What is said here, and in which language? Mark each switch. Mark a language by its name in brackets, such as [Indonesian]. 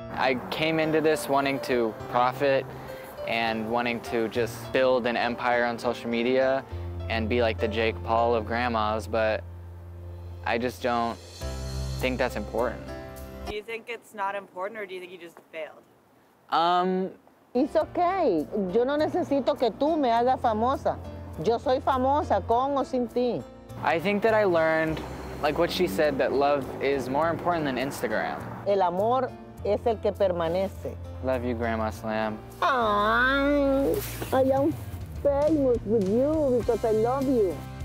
[English] I came into this wanting to profit and wanting to just build an empire on social media and be like the Jake Paul of grandmas, but I just don't think that's important. Do you think it's not important or do you think you just failed? It's okay. [Spanish] Yo no necesito que tú me hagas famosa. Yo soy famosa con o sin ti. [English] I think that I learned, like what she said, that love is more important than Instagram. [Spanish] El amor es el que permanece. [English] Love you, Grandma Slam. Aww. I am famous with you because I love you.